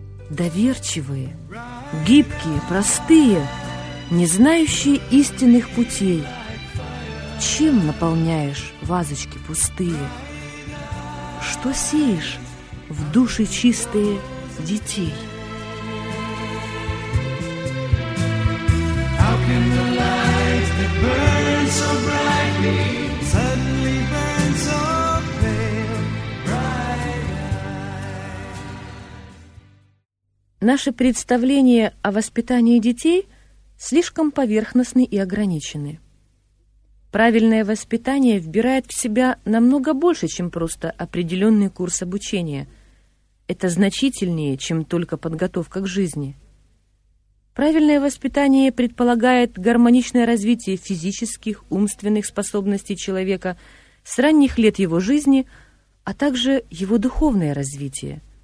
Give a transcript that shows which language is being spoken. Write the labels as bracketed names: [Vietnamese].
[Russian] Доверчивые, гибкие, простые, не знающие истинных путей, чем наполняешь вазочки пустые? Что сеешь в души чистые детей? [English] How can the light that burns so brightly suddenly burn so pale? [Russian] Наши представления о воспитании детей слишком поверхностны и ограничены. Правильное воспитание вбирает в себя намного больше, чем просто определенный курс обучения. Это значительнее, чем только подготовка к жизни. Правильное воспитание предполагает гармоничное развитие физических, умственных способностей человека с ранних лет его жизни, а также его духовное развитие.